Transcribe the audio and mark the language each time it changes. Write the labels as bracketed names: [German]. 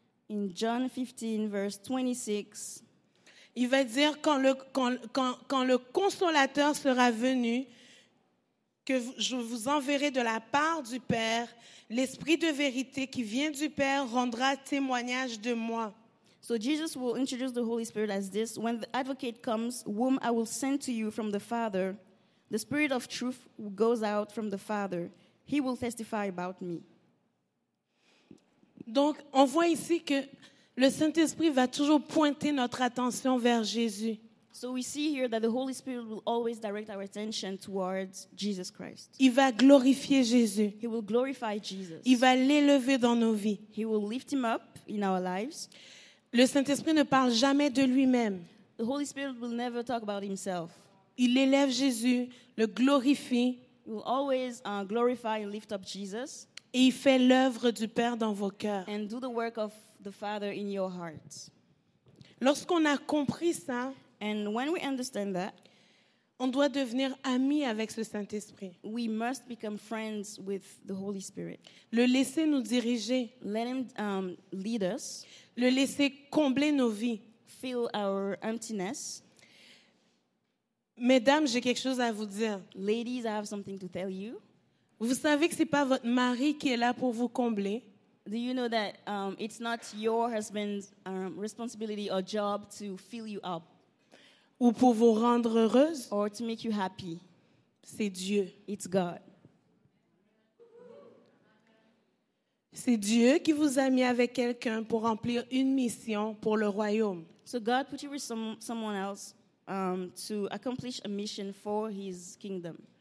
[English] In John 15, verse 26, [French] il va dire quand le consolateur sera venu, que je vous enverrai de la part du Père, l'Esprit de vérité qui vient du Père rendra témoignage de moi. [English] So Jesus will introduce the Holy Spirit as this: when the Advocate comes, whom I will send to you from the Father, the Spirit of truth goes out from the Father. He will testify about me. [French] Donc, on voit ici que le Saint-Esprit va toujours pointer notre attention vers Jésus. [English] So we see here that the Holy Spirit will always direct our attention towards Jesus Christ. [French] Il va glorifier Jésus. [English] He will glorify Jesus. [French] Il va l'élever dans nos vies. [English] He will lift him up in our lives. [French] Le Saint-Esprit ne parle jamais de lui-même. [English] The Holy Spirit will never talk about himself. [French] Il élève Jésus, le glorifie. [English] He will always glorify and lift up Jesus. [French] Et il fait l'œuvre du Père dans vos cœurs. [English] And do the work of the Father in your heart. [French] Lorsqu'on a compris ça, [English] and when we understand that, [French] on doit devenir ami avec le Saint-Esprit. [English] We must become friends with the Holy Spirit. [French] Le laisser nous diriger. [English] Let him lead us. [French] Le laisser combler nos vies. [English] Fill our emptiness. [French] Mesdames, j'ai quelque chose à vous dire. [English] Ladies, I have something to tell you. [French] Vous savez que c'est pas votre mari qui est là pour vous combler. [English] Do you know that it's not your husband's responsibility or job to fill you up? [French] Ou pour vous rendre heureuse? [English] Or to make you happy? [French] C'est Dieu. [English] It's God. [French] C'est Dieu qui vous a mis avec quelqu'un pour remplir une mission pour le royaume. [English] So God put you with someone else to accomplish a mission for his kingdom.